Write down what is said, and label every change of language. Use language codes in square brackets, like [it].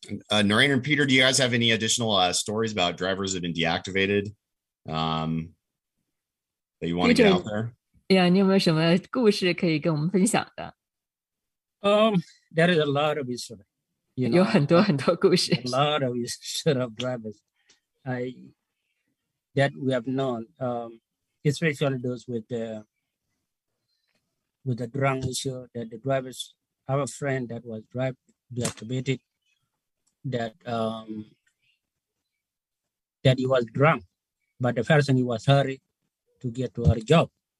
[en] Narain and Peter, do you guys have any additional stories about drivers that have been deactivated that you want to get out there? [zh] Yeah, 你有没有什么故事可以跟我们分享的? [en] There is a lot of history. You know, [zh] 有很多故事. [en] A lot of history of drivers that we have known, especially those with the drunk issue, that the drivers, our friend that was deactivated, that he was drunk, but the person, he was hurry to get to her job.